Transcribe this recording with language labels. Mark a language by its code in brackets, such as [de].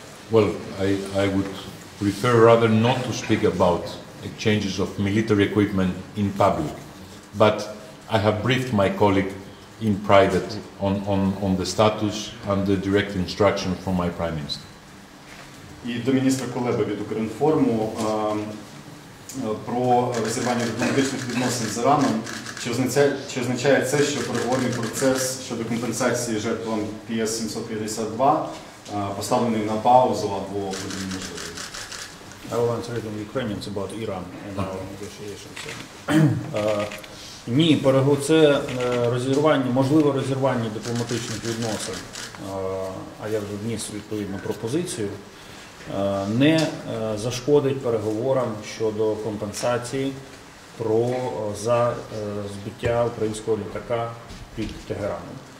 [en] Well, I would prefer rather not to speak about exchanges of military equipment in public, but I have briefed my colleague in private on the status under direct instruction from my Prime Minister. [uk] І до міністра Кулеби від Укрінформу про розірвання дипломатичних відносин з Іраном. Чи означає це, що переговорний процес щодо компенсації жертвам PS752 поставлений на паузу або буде неможливий? [en] I will answer it in Ukrainian about Iran and our negotiations. [uk] Ні, це розірвання, можливо розірвання дипломатичних відносин, а я вже вніс відповідну пропозицію, не зашкодить переговорам щодо компенсації за збиття українського літака під Тегераном.